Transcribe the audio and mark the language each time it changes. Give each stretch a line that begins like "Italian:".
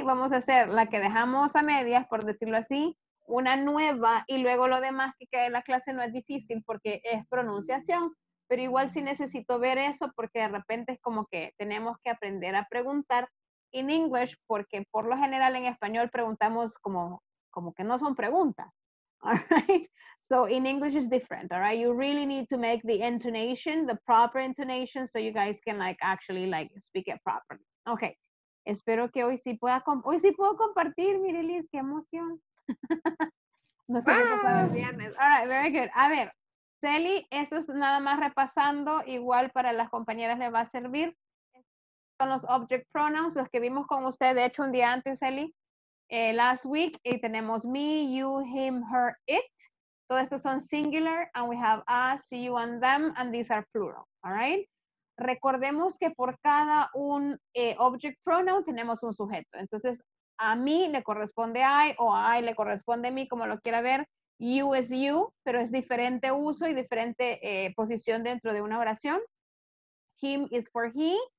Spanish: Vamos a hacer la que dejamos a medias, por decirlo así, una nueva, y luego lo demás que quede en la clase no es difícil porque es pronunciación, pero igual sí necesito ver eso porque de repente es como que tenemos que aprender a preguntar
English: in English
Spanish: porque por lo general en español preguntamos como que no son preguntas.
English: All right? So in English is different, all right? You really need to make the intonation, the proper intonation, so you guys can like actually like speak it properly.
Spanish: Okay, espero que hoy sí puedo compartir, Mirelis, qué emoción. No sé qué pasa el viernes.
English: All right, very good.
Spanish: A ver, Sally, eso es nada más repasando, igual para las compañeras le va a servir. Son los object pronouns, los que vimos con usted, de hecho, un día antes, Sally,
English: last week,
Spanish: y tenemos me, you, him, her, it. Todos estos son singular,
English: and we have us, you, and them, and these are plural. All right?
Spanish: Recordemos que por cada un object pronoun tenemos un sujeto. Entonces, a mí le corresponde I o a I le corresponde me, como lo quiera ver.
English: You is you,
Spanish: pero es diferente uso y diferente posición dentro de una oración.
English: Him is for he.